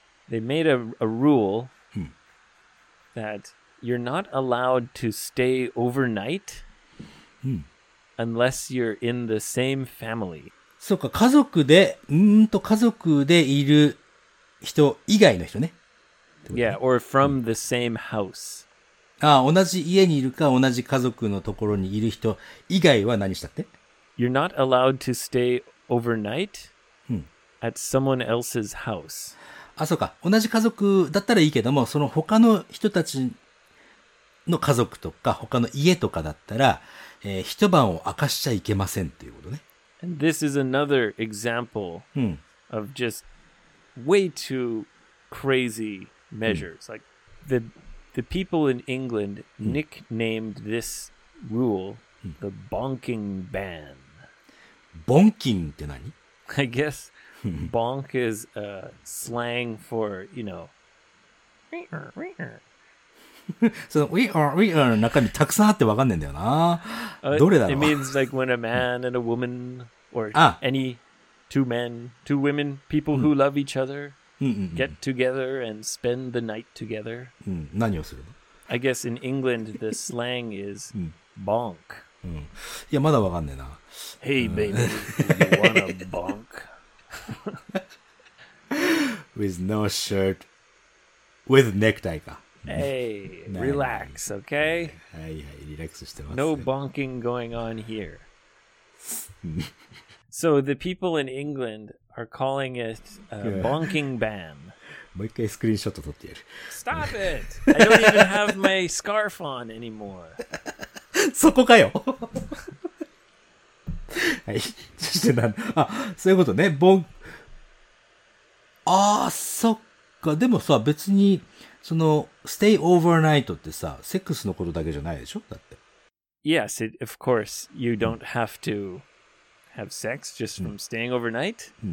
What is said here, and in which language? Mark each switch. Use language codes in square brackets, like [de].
[en] They made a rule that you're not allowed to stay overnight unless you're in the same family. [ja] そうか、家族で、家族でいる人以外の人ね。 [en] Yeah, or from the same house. [ja] ああ、同じ家にいるか同じ家族のところにいる人以外は何したって？ [en] You're not allowed to stay overnight at someone else's house. [ja] あ、そうか。同じ家族だったらいいけども、その他の人たちの家族とか他の家とかだったら、一晩を明かしちゃいけませんっていうことね。 [en] And this is another example of just way too crazy measures. Like the people in England nicknamed this rule the bonking ban. [ja] Bonking って何？ [en] I guess bonk is a slang for, you know, [ja] その [en] we are [ja] の中にたくさんあってわかんないんだよな。どれだろう。 [en] It means like when a man and a woman or any two men, two women, people who love each other get together and spend the night together. [ja] 何をするの？ [en] I guess in England the slang is bonk. [ja] いやまだわかんないな。 [en] Hey baby, you wanna bonk? With no shirt, with necktie [ja] か。 [en] Hey, relax, okay? [ja] はいはい、リラックスしてます。 [en] No bonking going on here. So the people in England are calling it a bonking ban. [ja] もう一回スクリーンショット撮ってやる。 [en] Stop it! I don't even have my scarf on anymore. [ja] そこかよ。はい。そしてなん、あ、そういうことね。ボン、あー、そっか。でもさ、別に、その、 [en] stay overnight [ja] ってさ、セックスのことだけじゃないでしょ？だって。 [en] Yes, it, of course, you don't have to have sex just from staying overnight.